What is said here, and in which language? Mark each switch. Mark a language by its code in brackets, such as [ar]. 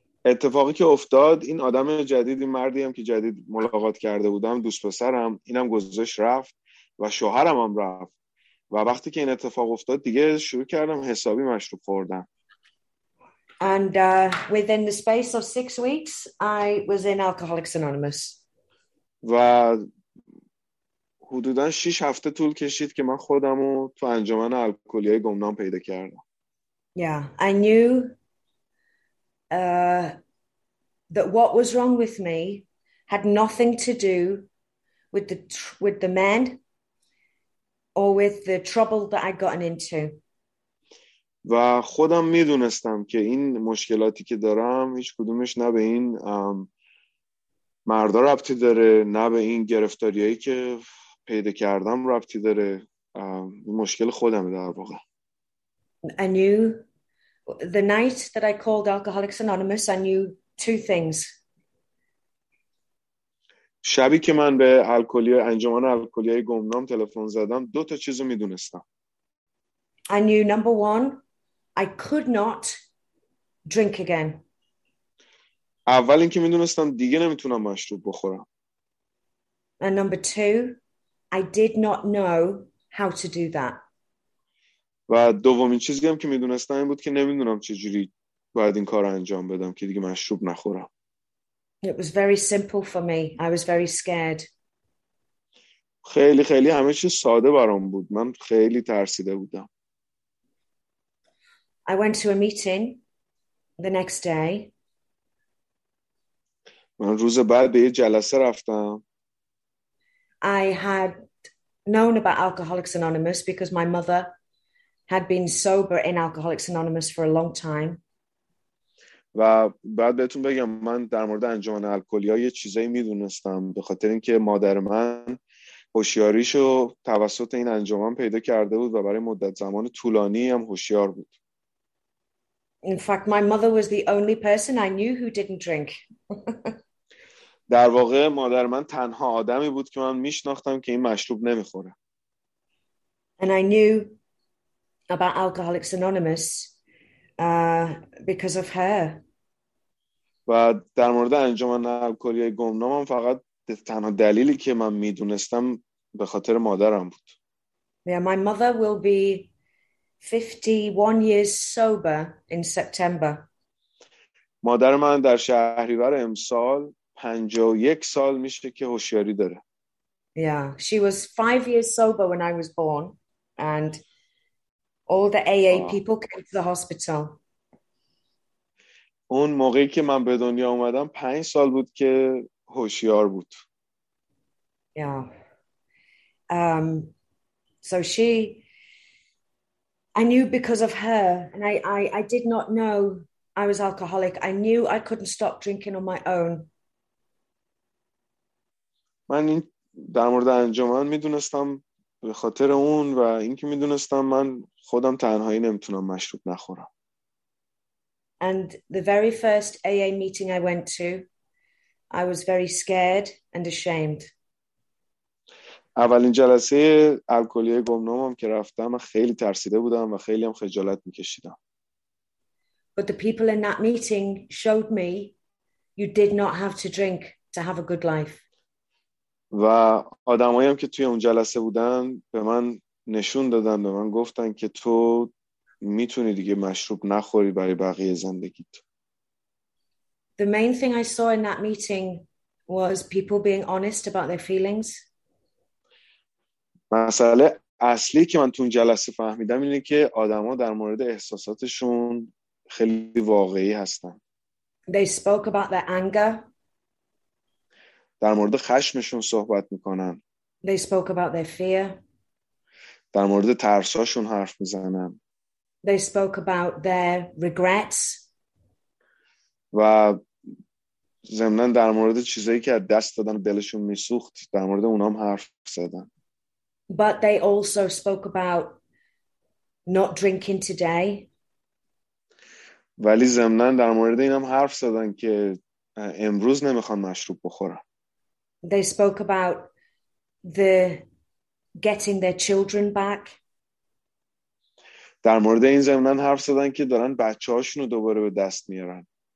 [fa] اتفاقی که افتاد، این آدم جدید، این مردی هم که جدید ملاقات کرده بودم، دوست پسرم، اینم گذاش رفت و شوهرم هم رفت، و وقتی که این اتفاق افتاد دیگه شروع کردم حسابی مشروب خوردم. [en] And within the space of 6 weeks, I was in Alcoholics Anonymous. [fa] و حدودا 6 هفته طول کشید که من خودم رو تو انجمن الکلی های گمنام پیدا کردم. [en] Yeah, I knew that what was wrong with me had nothing to do with the men or with the trouble that I'd gotten into. [fa] و خودم میدونستم که این مشکلاتی که دارم هیچ کدومش نه به این مردا ربطی داره، نه به این گرفتاریایی که پیدا کردم ربطی داره. مشکل خودم در واقع. [en] I knew the night that I called Alcoholics Anonymous, I knew two things. [fa] شبی که من به انجمن الکلی های گمنام تلفن زدم، دو تا چیزو میدونستم. [en] I knew number one, I could not drink again. [fa] اول اینکه میدونستم دیگه نمیتونم مشروب بخورم. [en] And number two, I did not know how to do that. [fa] و دومین چیزی هم که میدونستم این بود که نمیدونم چه جوری باید این کار انجام بدم که دیگه مشروب نخورم. [en] It was very simple for me. I was very scared. [fa] خیلی خیلی همه چیز ساده برام بود. من خیلی ترسیده بودم. [en] I went to a meeting the next day. [fa] من روز بعد به یه جلسه رفتم. [en] I had known about Alcoholics Anonymous because my mother had been sober in Alcoholics Anonymous for a long time. [fa] و بعد بهتون بگم من در مورد انجمن الکلی‌ها یه چیزایی میدونستم به خاطر اینکه مادر من هوشیاریشو توسط این انجمن پیدا کرده بود و برای مدت زمان طولانی هم هوشیار بود. [en] In fact, my mother was the only person I knew who didn't drink. [fa] در واقع مادر من تنها آدمی بود که من میشناختم که این مشروب نمیخوره. [en] And I knew about Alcoholics Anonymous because of her. [fa] و در مورد انجمن الکلی گمنام فقط تنها دلیلی که من میدونستم به خاطر مادرم بود. [en] Yeah, my mother will be 51 years sober in September. [fa] مادر من در شهریور امسال 51 سال میشه که هوشیاری داره. [en] Yeah, she was 5 years sober when I was born and all the AA people came to the hospital. [fa] اون موقعی که من به دنیا اومدم 5 سال بود که هوشیار بود. [en] Yeah. So she I knew because of her and I did not know I was alcoholic. I knew I couldn't stop drinking on my own. [fa] من این در مورد انجمن میدونستم به خاطر اون و اینکه میدونستم من خودم تنهایی نمیتونم مشروب نخورم. [en] And the very first AA meeting I went to, I was very scared and ashamed. [fa] اولین جلسه الکلی گمنامم که رفتم خیلی ترسیده بودم و خیلی هم خجالت میکشیدم. [en] But the people in that meeting showed me you did not have to drink to have a good life. [fa] و آدمایی هم که توی اون جلسه بودن به من نشون دادن، به من گفتن که تو میتونی دیگه مشروب نخوری برای بقیه زندگیت. [en] The main thing I saw in that meeting was people being honest about their feelings. [fa] مسئله اصلی که من تو اون جلسه فهمیدم اینه که آدما در مورد احساساتشون خیلی واقعی هستن. [en] They spoke about their anger. [fa] در مورد خشمشون صحبت میکنن. [en] They spoke about their fear. [fa] در مورد ترساشون حرف میزنن. [en] They spoke about their regrets. [fa] و ضمناً در مورد چیزایی که از دست دادن دلشون میسوخت در مورد اونام حرف زدن. [en] But they also spoke about not drinking today. [fa] ولی ضمناً در مورد اینم حرف زدن که امروز نمیخوان مشروب بخورن. [en] They spoke about the getting their children back. [fa] در مورد این ضمناً حرف زدن که دارن بچه هاشون رو دوباره به دست میارن.